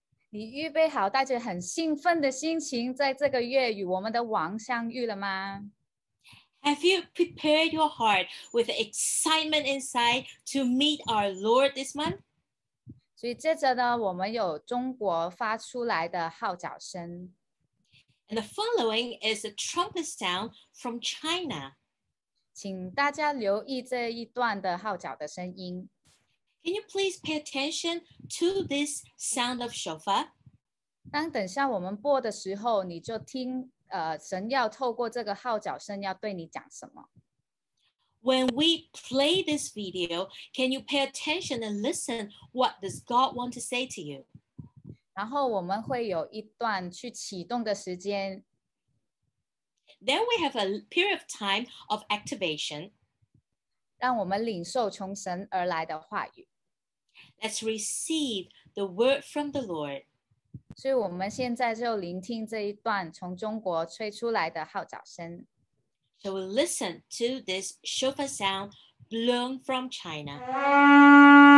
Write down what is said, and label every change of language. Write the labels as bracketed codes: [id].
[zh] 你预备好带着很兴奋的心情在这个月与我们的王相遇了吗？ [en] Have you prepared your heart with excitement inside to meet our Lord this month? [zh] 所以接着呢，我们有中国发出来的号角声。 [en] And the following is a trumpet sound from China. [zh] 请大家留意这一段的号角的声音。 [en] Can you please pay attention to this sound of shofar? [zh] 当等下我们播的时候，你就听，神要透过这个号角声要对你讲什么。 [en] When we play this video, can you pay attention and listen? What does God want to say to you? [zh] 然后我们会有一段去启动的时间。 [en] Then we have a period of time of activation. [zh] 让我们领受从神而来的话语。 [en] Let's receive the word from the Lord. [zh] 所以我们现在就聆听这一段从中国吹出来的号角声。 [en] So we'll listen to this shofar sound blown from China.